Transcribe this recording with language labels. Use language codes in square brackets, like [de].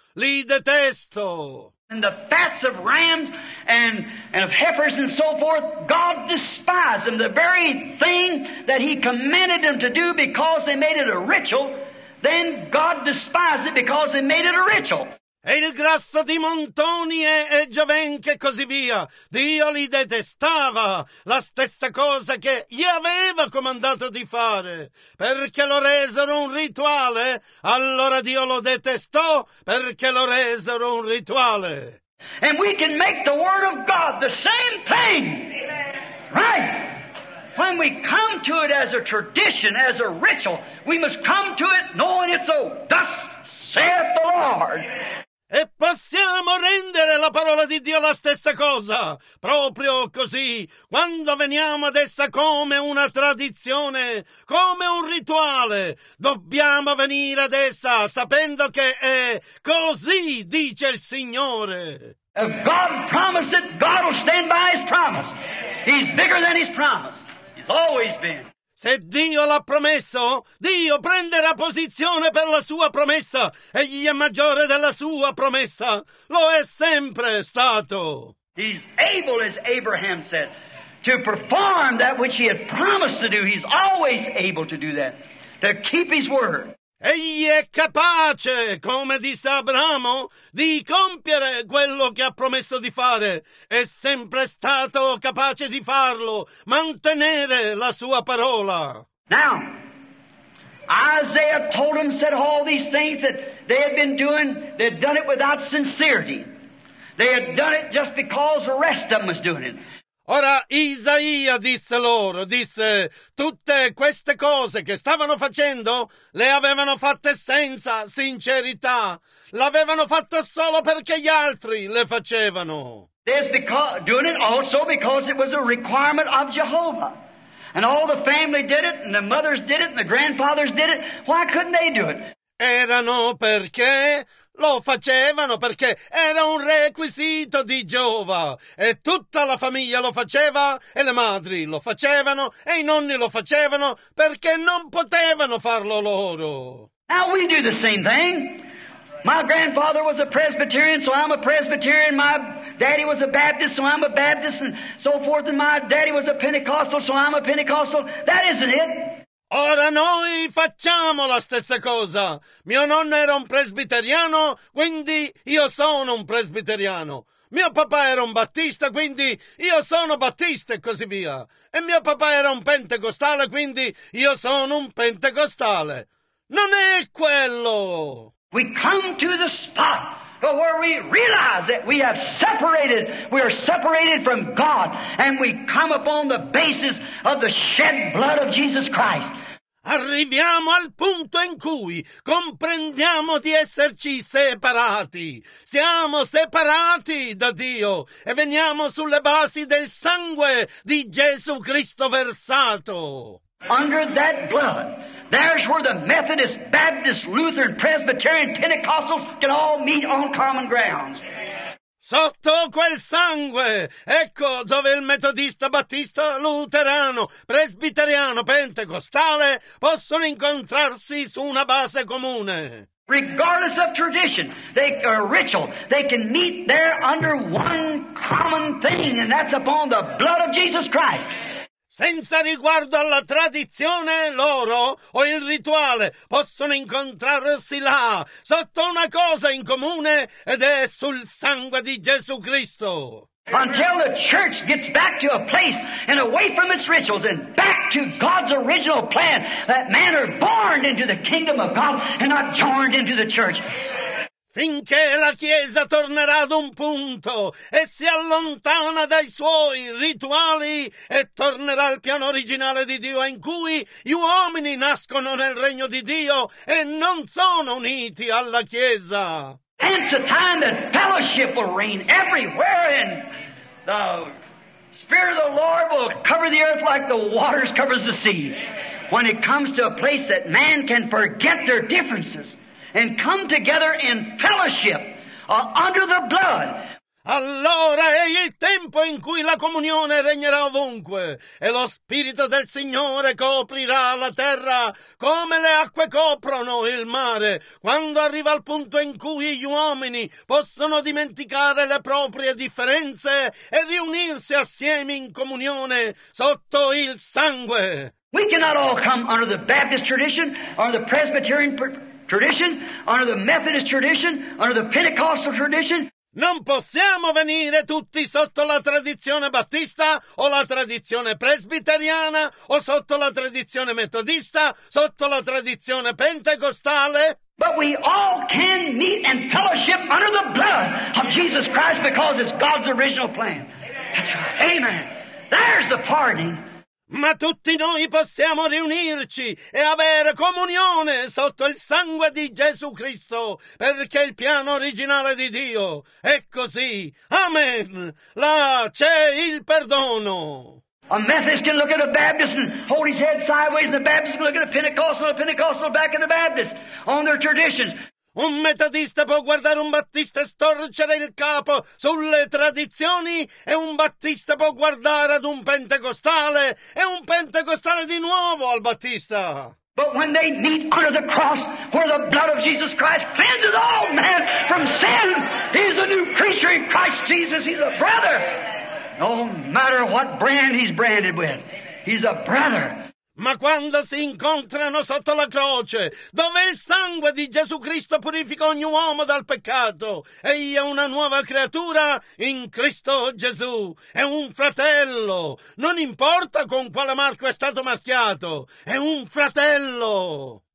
[it] Li detesto. [en] And the fats of rams and of heifers and so forth, God despised them. The very thing that he commanded them to do because they made it a ritual, then God despised it because they made it a ritual. [it] E il grasso di montoni e giovenche e così via, Dio li detestava, la stessa cosa che gli aveva comandato di fare, perché lo resero un rituale, allora Dio lo detestò perché lo resero un rituale. [en] And we can make the word of God the same thing, right? When we come to it as a tradition, as a ritual, we must come to it knowing it's so. Thus saith the Lord. [it] E possiamo rendere la parola di Dio la stessa cosa, proprio così, quando veniamo ad essa come una tradizione, come un rituale, dobbiamo venire ad essa sapendo che è così, dice il Signore. [en] If God promised it, God will stand by his promise. He's bigger than his promise. He's always been. [it] Se Dio l'ha promesso, Dio prenderà posizione per la sua promessa. Egli è maggiore della sua promessa. Lo è sempre stato. [en] He's able, as Abraham said, to perform that which he had promised to do. He's always able to do that, to keep his word. [it] Egli è capace, come disse Abramo, di compiere quello che ha promesso di fare. È sempre stato capace di farlo, mantenere la sua parola. [en] Now, Isaiah told him, said all these things that they had been doing, they had done it without sincerity. They had done it just because the rest of them was doing it. [it] Ora Isaia disse loro, disse, tutte queste cose che stavano facendo le avevano fatte senza sincerità. L'avevano fatto solo perché gli altri le facevano. [en] Doing it also because it was a requirement of Jehovah. And all the family did it, and the mothers did it, and the grandfathers did it. Why couldn't they do it? [it] Erano perché... Lo facevano perché era un requisito di Geova e tutta la famiglia lo faceva e le madri lo facevano e i nonni lo facevano perché non potevano farlo loro. [en] Now we do the same thing. My grandfather was a Presbyterian, so I'm a Presbyterian. My daddy was a Baptist, so I'm a Baptist, and so forth. And my daddy was a Pentecostal, so I'm a Pentecostal. That isn't it. [it] Ora noi facciamo la stessa cosa. Mio nonno era un presbiteriano, quindi io sono un presbiteriano. Mio papà era un battista, quindi io sono battista e così via. E mio papà era un pentecostale, quindi io sono un pentecostale. Non è quello! [en] We come to the spot where we realize that we have separated, we are separated from God, and we come upon the basis of the shed blood of Jesus Christ. [it] Arriviamo al punto in cui comprendiamo di esserci separati. Siamo separati da Dio e veniamo sulle basi del sangue di Gesù Cristo versato. [en] Under that blood, there's where the Methodist, Baptist, Lutheran, Presbyterian, Pentecostals can all meet on common grounds. [it] Sotto quel sangue, ecco dove il metodista, battista, luterano, presbiteriano, pentecostale possono incontrarsi su una base comune. [en] Regardless of tradition, they or ritual, they can meet there under one common thing, and that's upon the blood of Jesus Christ. [it] Senza riguardo alla tradizione, loro o il rituale possono incontrarsi là, sotto una cosa in comune, ed è sul sangue di Gesù Cristo. [en] Until the church gets back to a place and away from its rituals and back to God's original plan, that man are born into the kingdom of God and not joined into the church. [it] Finché la Chiesa tornerà ad un punto e si allontana dai suoi rituali e tornerà al piano originale di Dio in cui gli uomini nascono nel regno di Dio e non sono uniti alla Chiesa. [en] Hence a time that fellowship will reign everywhere and the Spirit of the Lord will cover the earth like the waters covers the sea. When it comes to a place that man can forget their differences and come together in fellowship under the blood. [it] Allora è il tempo in cui la comunione regnerà ovunque e lo Spirito del Signore coprirà la terra come le acque coprono il mare, quando arriva al punto in cui gli uomini possono dimenticare le proprie differenze e riunirsi assieme in comunione sotto il sangue. [en] We cannot all come under the Baptist tradition or the Presbyterian tradition, under the Methodist tradition, under the Pentecostal tradition. [it] Non possiamo venire tutti sotto la tradizione battista o la tradizione presbiteriana o sotto la tradizione metodista, sotto la tradizione pentecostale. [en] But we all can meet and fellowship under the blood of Jesus Christ because it's God's original plan. That's right. Amen. There's the pardon. [it] Ma tutti noi possiamo riunirci e avere comunione sotto il sangue di Gesù Cristo, perché il piano originale di Dio è così. Amen. Là c'è il perdono. [en] A Methodist can look at a Baptist and hold his head sideways, and the Baptist can look at a Pentecostal back at the Baptist on their tradition. [it] Un metodista può guardare un battista e storcere il capo sulle tradizioni e un battista può guardare ad un pentecostale e un pentecostale di nuovo al battista. [en] But when they meet under the cross where the blood of Jesus Christ cleanses all men from sin, he's a new creature in Christ Jesus, he's a brother. No matter what brand he's branded with, he's a brother. [it] Ma quando si incontrano sotto la croce, dove il sangue di Gesù Cristo purifica ogni uomo dal peccato, egli è una nuova creatura in Cristo Gesù, è un fratello, non importa con quale marchio è stato marchiato, è un fratello.